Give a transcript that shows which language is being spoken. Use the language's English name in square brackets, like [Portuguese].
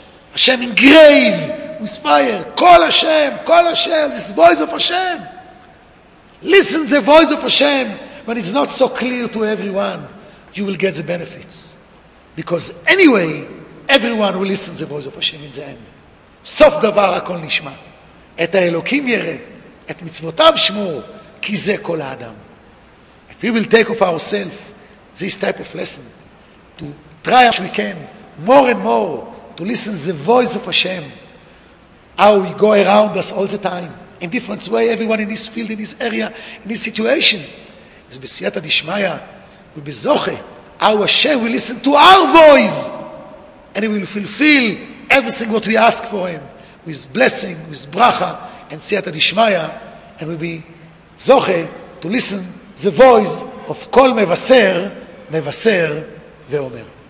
[English] Hashem engraved with fire. Kol Hashem, Kol Hashem. This is the voice of Hashem. Listen to the voice of Hashem. When it's not so clear to everyone, you will get the benefits. Because anyway, everyone will listen to the voice of Hashem in the end. [Hebrew] Sof davar hakol nishma. את האלוקים יראה, את מצוותיו שמור, כי זה כל האדם. [English] If we will take of ourselves this type of lesson, to try as we can, more and more, to listen to the voice of Hashem, how we go around us all the time in different way, everyone in this field, in this area, in this situation. It's b'siyata d'shmaya, b'zoche, how Hashem will listen to our voice and He will fulfill everything what we ask for Him with blessing, with bracha, and siyata d'shmaya, and we'll be zoche to listen the voice of kol mevaser, mevaser ve'omer.